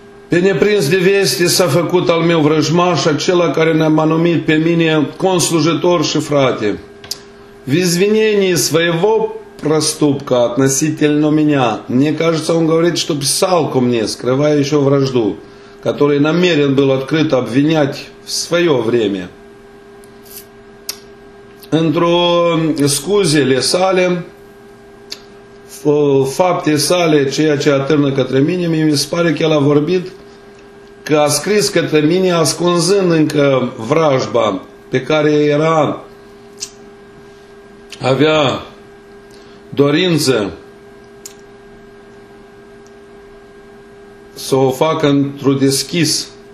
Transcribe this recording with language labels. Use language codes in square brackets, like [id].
[ro] Pe neprins de veste s-a făcut al meu vrăjmaș, acela care ne-a numit pe mine conslujitor și frate. [ru] В извинении своего проступка относительно меня, мне кажется, он говорит, что писал ко мне, скрывая еще вражду, который намерен был открыто обвинять в свое время. [ro] într-o scuze ale sale, fapte sale, ceea ce atârnă către mine, mie mi se pare că el a vorbit, că a scris către mine ascunzând încă vrajba pe care era, avea dorință să o facă într-un deschis.